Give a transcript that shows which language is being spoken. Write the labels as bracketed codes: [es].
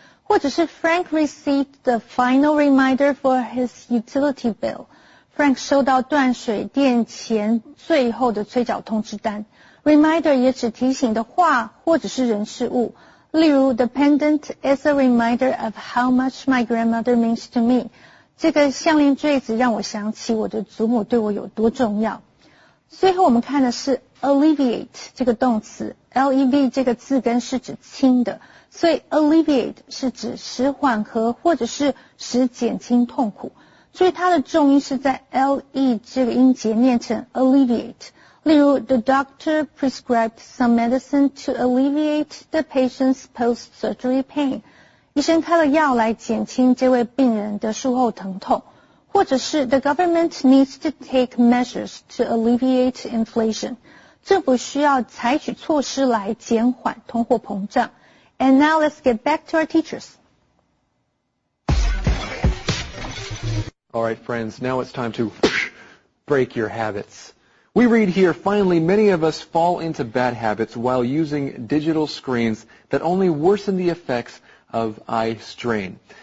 [zh] 或者是 [en] Frank received the final reminder for his utility bill. [zh] Frank 收到断水电前最后的催缴通知单。 [en] Reminder [zh] 也指提醒的话或者是人事物，例如 [en] The pendant is a reminder of how much my grandmother means to me. [zh] 这个项链坠子让我想起我的祖母对我有多重要。最后我们看的是 alleviate 这个动词， L-E-V 这个字根是指轻的，所以 alleviate 是指使缓和或者是使减轻痛苦，所以它的重音是在 L-E 这个音节念成 alleviate。例如 [en] the doctor prescribed some medicine to alleviate the patient's post-surgery pain. [zh] 医生开了药来减轻这位病人的术后疼痛。或者是 [en] the government needs to take measures to alleviate inflation. [zh] 政府需要采取措施来减缓通货膨胀。 [en] And now let's get back to our teachers. All right, friends, now it's time to break your habits. We read here, finally, many of us fall into bad habits while using digital screens that only worsen the effects of eye strain.